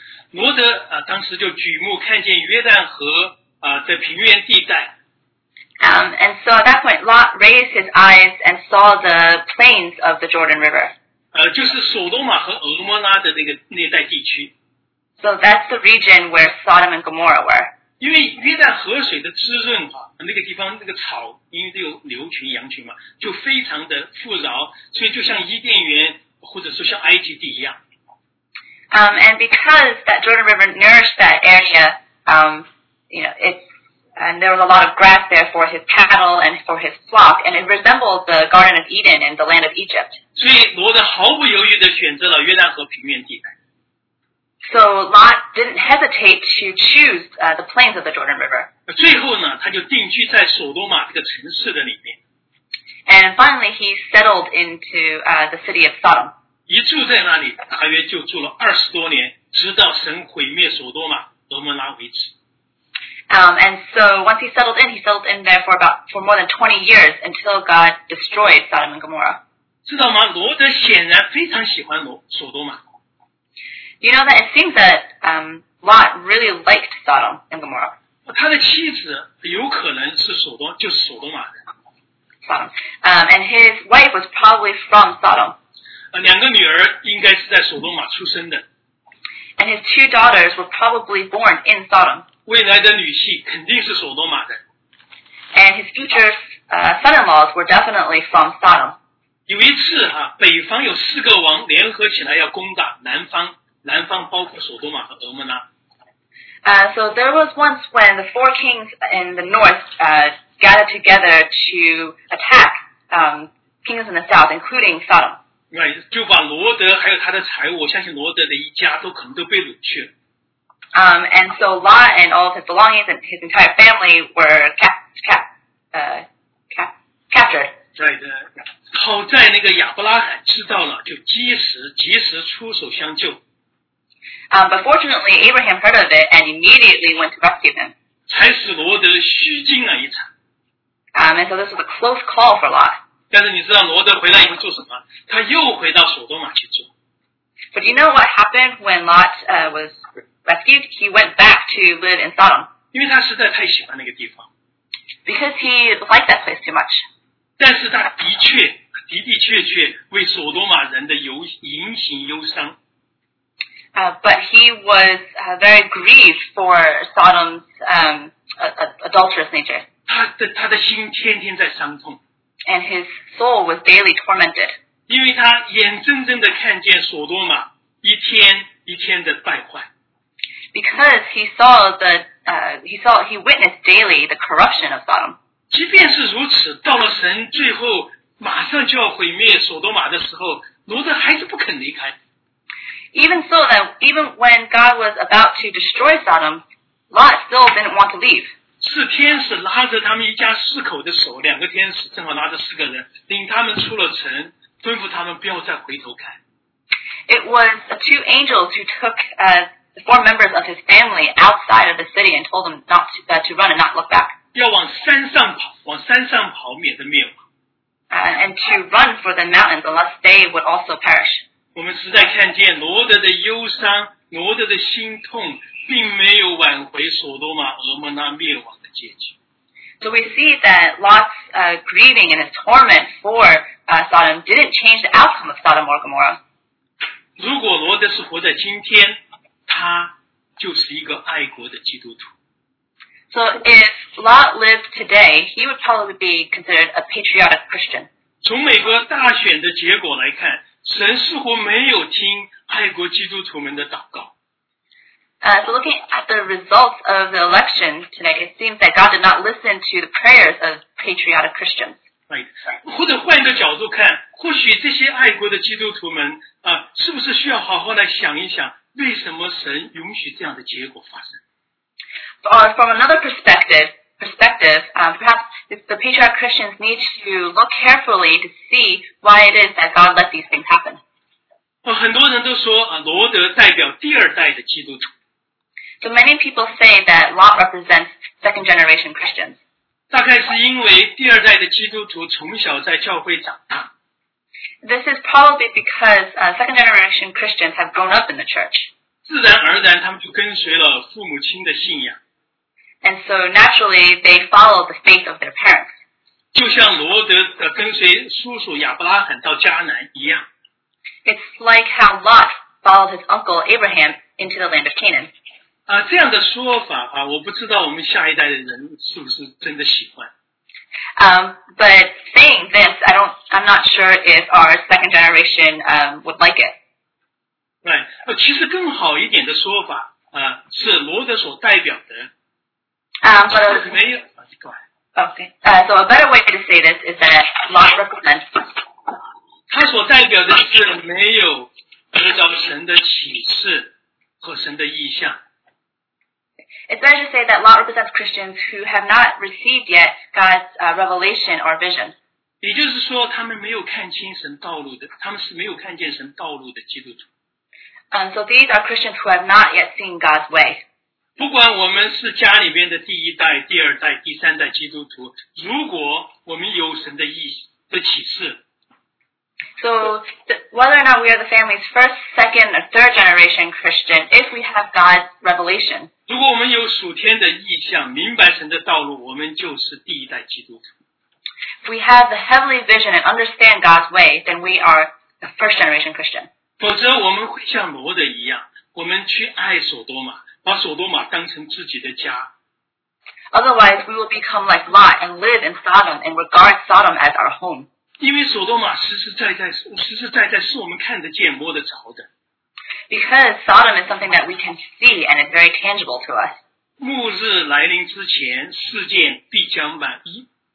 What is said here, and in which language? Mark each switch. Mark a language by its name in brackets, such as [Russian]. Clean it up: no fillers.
[Chinese] 罗德当时就举目看见约旦河的平原地带。 [English] And so at that point, Lot raised his eyes and saw the plains of the Jordan River. [Chinese] 就是索多玛和俄摩拉的那带地区。 [English] So that's the region where Sodom and Gomorrah were. [Chinese] 因为约旦河水的滋润那个地方那个草因为有牛群羊群嘛就非常的富饶所以就像伊甸园或者说像埃及地一样。 [English] And because that Jordan River nourished that area, and there was a lot of grass there for his cattle and for his flock, and it resembled the Garden of Eden and the land of Egypt. [Chinese] 所以罗德毫不犹豫地选择了约旦河平原地带。 [English] So Lot didn't hesitate to choose the plains of the Jordan River. [Chinese] 最后呢，他就定居在索多玛这个城市的里面。 [English] And finally, he settled into the city of Sodom. [Chinese] 一住在那里，大约就住了二十多年，直到神毁灭索多玛、蛾摩拉为止。 [English] And so once he settled in there for more than 20 years until God destroyed Sodom and Gomorrah. [Chinese] 知道吗？罗德显然非常喜欢索多玛。 [English] You know that it seems that Lot really liked Sodom and Gomorrah. [Chinese] 他的妻子有可能是索多，就是索多玛的。 [English] Sodom. And his wife was probably from Sodom. [Chinese] 两个女儿应该是在索多玛出生的。 [English] And his two daughters were probably born in Sodom. [Chinese] 未来的女婿肯定是索多玛的。 [English] And his future son-in-laws were definitely from Sodom. [Chinese] 有一次啊，北方有四个王联合起来要攻打南方，南方包括索多玛和俄摩拉。 [English] So there was once when the four kings in the north gathered together to attack kings in the south, including Sodom. Right, [Chinese] 就把罗德还有他的财物，我相信罗德的一家都可能都被掳去了。 [English] And so Lot and all of his belongings and his entire family were captured. Right, [Chinese] 好在那个亚伯拉罕知道了，就及时出手相救。 [English] But fortunately, Abraham heard of it and immediately went to rescue them. [Chinese] 才使罗德虚惊了一场。 [English] And so this was a close call for Lot. [Chinese] 但是你知道罗德回来以后做什么？他又回到索多玛去住。 [English] But you know what happened when Lot was rescued? He went back to live in Sodom. [Chinese] 因为他实在太喜欢那个地方。 [English] Because he liked that place too much. [Chinese] 但是他的确的的确确为索多玛人的言行忧伤。 [English] But he was very grieved for Sodom's adulterous nature. [Chinese] 他的心天天在伤痛。 [English] And his soul was daily tormented. [Chinese] 因为他眼睁睁地看见索多玛一天一天的败坏。 [English] Because he saw he witnessed daily the corruption of Sodom. [Chinese] 即便是如此，到了神最后马上就要毁灭索多玛的时候，罗德还是不肯离开。 [English] Even so, that even when God was about to destroy Sodom, Lot still didn't want to leave. [Chinese] 是天使拉着他们一家四口的手，两个天使正好拉着四个人，领他们出了城，吩咐他们不要再回头看。 [English] It was the two angels who took the four members of his family outside of the city and told them not to, to run and not look back. [Chinese] 要往山上跑，往山上跑，免得灭亡。 [English] And to run for the mountains, unless they would also perish. [Chinese] 我们实在看见罗德的忧伤，罗德的心痛，并没有挽回索多玛、俄摩拉灭亡的结局。 [English] So we see that Lot's grieving and his torment for Sodom didn't change the outcome of Sodom or Gomorrah. [Chinese] 如果罗德是活在今天，他就是一个爱国的基督徒。 [English] So if Lot lived today, he would probably be considered a patriotic Christian. [Chinese] 从美国大选的结果来看，神似乎没有听爱国基督徒们的祷告。 [English] So looking at the results of the election today, it seems that God did not listen to the prayers of patriotic Christians. Right. [Chinese] 或者换一个角度看，或许这些爱国的基督徒们啊，是不是需要好好来想一想，为什么神允许这样的结果发生？ [English] From another perspective, perhaps the patriotic Christians need to look carefully to see why it is that God let these things happen. [Chinese] 很多人都说罗德代表第二代的基督徒。 [English] So many people say that Lot represents second generation Christians. [Chinese] 大概是因为第二代的基督徒从小在教会长大。 [English] This is probably because second generation Christians have grown up in the church. [Chinese] 自然而然他们就跟随了父母亲的信仰。 [English] And so naturally, they follow the faith of their parents. [Chinese] 就像罗德跟随叔叔亚伯拉罕到迦南一样。 [English] It's like how Lot followed his uncle Abraham into the land of Canaan. [Chinese] 这样的说法啊，我不知道我们下一代的人是不是真的喜欢。 [English] But saying this, I'm not sure if our second generation would like it. Right. [Chinese] 其实更好一点的说法啊，是罗德所代表的。 [English] So a better way to say this is that Lot represents. [Chinese] 他所代表的是没有得到神的启示和神神的意象。 [English] It's better to say that Lot represents Christians who have not received yet God's revelation or vision. [Chinese] 也就是说，他们没有看清神道路的，他们是没有看见神道路的基督徒。 [English] So these are Christians who have not yet seen God's way. [Chinese] 不管我们是家里边的第一代、第二代、第三代基督徒，如果我们有神的意的启示。 [English] So whether or not we are the family's first, second, or third generation Christian, if we have God's revelation. [Chinese] 如果我们有属天的意象，明白神的道路，我们就是第一代基督徒。 [English] If we have the heavenly vision and understand God's way, then we are the first generation Christian. [Chinese] 否则我们会像罗德一样，我们去爱索多玛，把索多玛当成自己的家。 [English] Otherwise, we will become like Lot and live in Sodom and regard Sodom as our home. [Chinese] 因为索多玛实实在在是我们看得见摸得着的。 [English] Because Sodom is something that we can see and is very tangible to us. [Chinese] 末日来临之前，世界必将满溢。